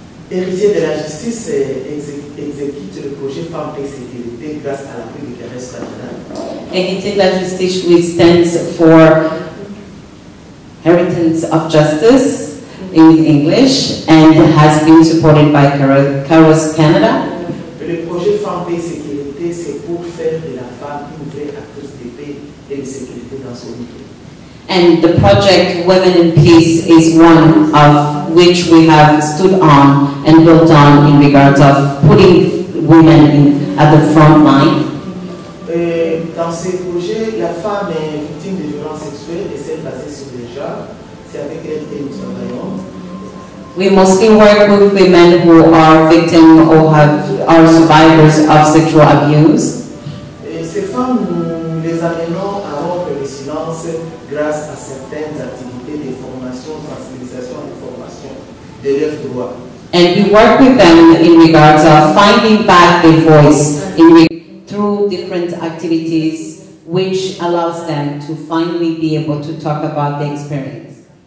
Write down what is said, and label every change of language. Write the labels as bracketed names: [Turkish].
[French] Héritiers de la justice exécute le projet femme et sécurité grâce à l'appui du Congrès national. [English] Héritiers de la justice, which stands for Heritage of Justice in English, and has been supported by KAIROS Canada. [French] Le projet femme et sécurité, c'est pour faire de la femme une vraie actrice de paix et de sécurité dans son milieu. [English] And the project Women in Peace is one of which we have stood on and built on in regards of putting women in, at the front line. [French] Dans ce projet, la femme est victime de violences sexuelles et celle basée sur le genre. C'est avec elle que nous travaillons. [English] We mostly work with women who are victims or are survivors of sexual abuse. [French] Ces femmes, les amenons à rompre le silence grâce à certaines activités de formation, sensibilisation et formation de leurs droits. [English] And we work with them in regards of finding back their voice in through different activities which allows them to finally be able to talk about their experience.